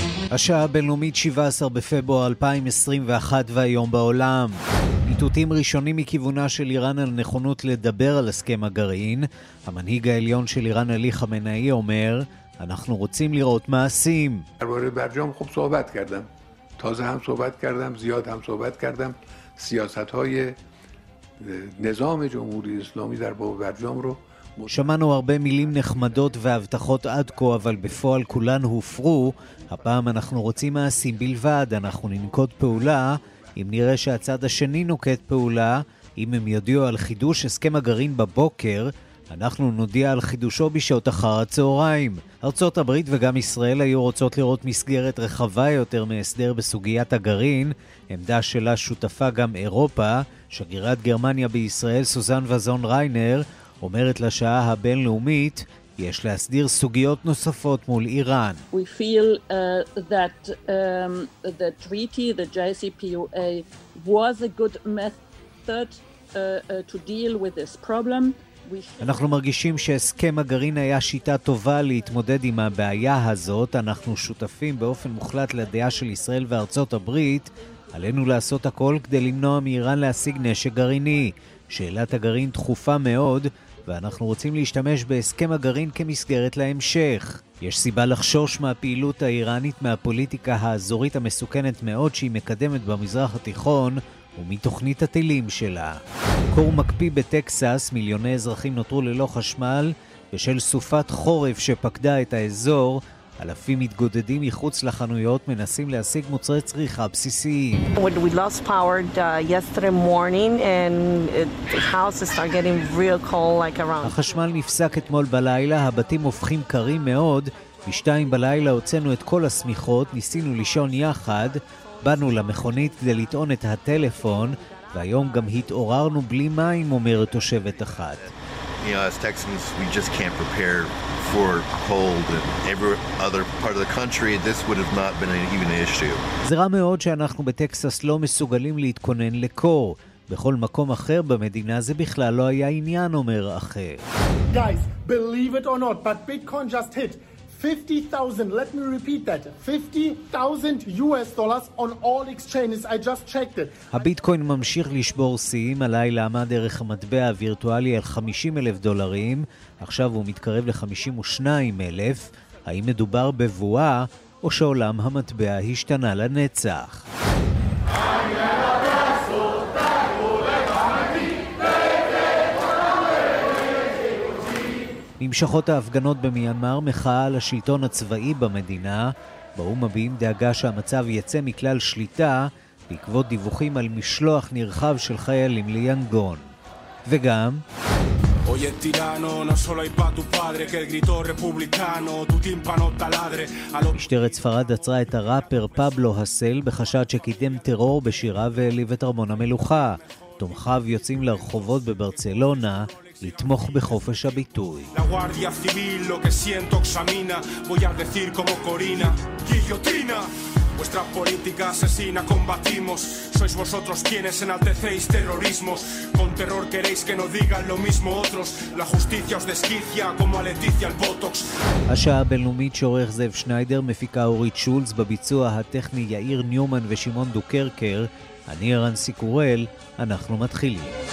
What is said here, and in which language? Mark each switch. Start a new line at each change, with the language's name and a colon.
Hebrew: השעה הבינלאומית 17 בפברואר 2021 והיום בעולם. איתותים ראשונים מכיוונה של איראן על נכונות לדבר על הסכם הגרעין. המנהיג העליון של איראן, עלי חמינאי, אומר, אנחנו רוצים לראות מעשים.
Persian: درباره برجام خوب صحبت کردم. تازه هم صحبت کردم، زیاد هم صحبت کردم. سیاست‌های نظام جمهوری اسلامی در باب برجام رو
Hebrew: שמענו הרבה מילים נחמדות והבטחות עד כה, אבל בפועל כולן הופרו. הפעם אנחנו רוצים מעשים בלבד, אנחנו ננקוט פעולה, אם נראה שהצד השני נוקט פעולה, אם הם יודיעו על חידוש הסכם הגרעין בבוקר, אנחנו נודיע על חידושו בשעות אחר הצהריים. ארצות הברית וגם ישראל היו רוצות לראות מסגרת רחבה יותר מהסדר בסוגיית הגרעין, עמדה שלה שותפה גם אירופה, שגרירת גרמניה בישראל סוזן וזון ריינר, אומרת לשעה הבינלאומית, יש להסדיר סוגיות נוספות מול איראן.
English: We feel that the treaty, the JCPOA, was a good method to deal with this problem.
Hebrew: אנחנו מרגישים שהסכם הגרעין היה שיטה טובה להתמודד עם הבעיה הזאת. אנחנו שותפים באופן מוחלט לדעה של ישראל וארצות הברית. עלינו לעשות הכל כדי למנוע מאיראן להשיג נשק גרעיני. שאלת הגרעין דחופה מאוד, ואנחנו רוצים להשתמש בהסכם הגרעין כמסגרת להמשך. יש סיבה לחשוש מהפעילות האיראנית, מהפוליטיקה האזורית המסוכנת מאוד שהיא מקדמת במזרח התיכון ומתוכנית הטילים שלה. קור מקפיא בטקסס, מיליוני אזרחים נותרו ללא חשמל בשל סופת חורף שפקדה את האזור. אלפים מתגודדים מחוץ לחנויות, מנסים להשיג מוצרי צריכה בסיסיים.
English: We lost power yesterday morning and the houses are getting real cold like around.
Hebrew: החשמל נפסק אתמול בלילה, הבתים הופכים קרים מאוד. בשתיים בלילה הוצאנו את כל השמיכות, ניסינו לישון יחד, באנו למכונית כדי לטעון את הטלפון, והיום גם התעוררנו בלי מים, אומרת תושבת אחת.
English: You know, as Texans, we just can't prepare for cold in every other part of the country. This would have not been even an issue.
Hebrew: זה רע מאוד שאנחנו בטקסס לא מסוגלים להתכונן לקור. בכל מקום אחר במדינה זה בכלל לא היה עניין, אומר אחר.
English: Guys, believe it or not, but Bitcoin just hit 50,000, let me repeat that, 50,000 US dollars on all exchanges, I just checked it.
Hebrew: הביטקוין ממשיך לשבור שיאים, הלילה עמד דרך המטבע הווירטואלי על 50,000 דולרים, עכשיו הוא מתקרב ל-52,000, האם מדובר בבועה או שעולם המטבע השתנה לנצח? נמשכות ההפגנות במיאמר, מחאה על השלטון הצבאי במדינה. באום מביעים דאגה שהמצב יצא מכלל שליטה בעקבות דיווחים על משלוח נרחב של חיילים ליאנגון. וגם
Spanish: Oye tirano, no solo hay pa tu padre que el grito republicano, tu tímpano taladre.
Hebrew: משטרת ספרד עצרה את הראפר פבלו הסל בחשד שקידם טרור בשירה והעליב את ארמון המלוכה. תומכיו יוצאים לרחובות בברצלונה לתמוך בחופש הביטוי.
Spanish: La guardia civil lo que siento examina, voy a decir como Corina, guillotina. Vuestra política asesina combatimos, sois vosotros quienes enaltecéis terrorismos, con terror queréis que no digan lo mismo otros, la justicia os desquicia como a Leticia el botox.
Hebrew: השעה הבינלאומית שעורך זאב שניידר, מפיקה אורית שולץ, בביצוע הטכני יאיר ניומן ושימון דוקרקר, אני ערן סיקורל, אנחנו מתחילים.